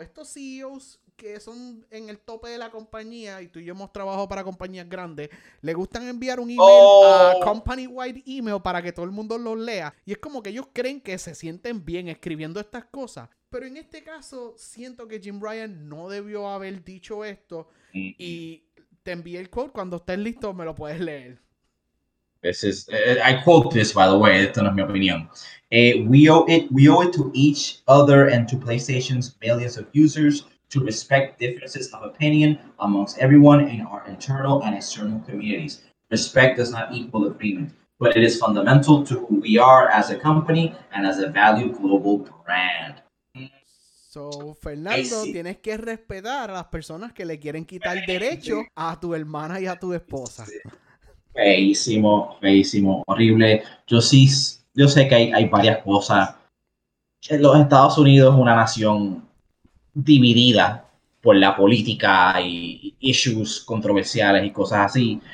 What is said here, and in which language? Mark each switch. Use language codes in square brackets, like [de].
[es] Estos CEOs que son en el tope de la compañía, y tú y yo hemos trabajado para compañías grandes, le gustan enviar un email a company-wide email para que todo el mundo los lea. Y es como que ellos creen que se sienten bien escribiendo estas cosas. Pero en este caso, siento que Jim Ryan no debió haber dicho esto. Mm-hmm. Y te envié el quote. Cuando estés listo, me lo puedes leer. [en] This is, I quote this, by the way, [es] esto no es mi opinión. [en] We owe it to each other and to PlayStation's millions of users to respect differences of opinion amongst everyone in our internal and external communities. Respect does not equal agreement, but it is fundamental to who we are as a company and as a valued global brand. [es] So, Fernando, tienes que respetar a las personas que le quieren quitar derecho a tu hermana y a tu esposa. Feísimo, feísimo, horrible. Yo sé que hay varias cosas. En los Estados Unidos es una nación dividida por la política y issues controversiales y cosas así.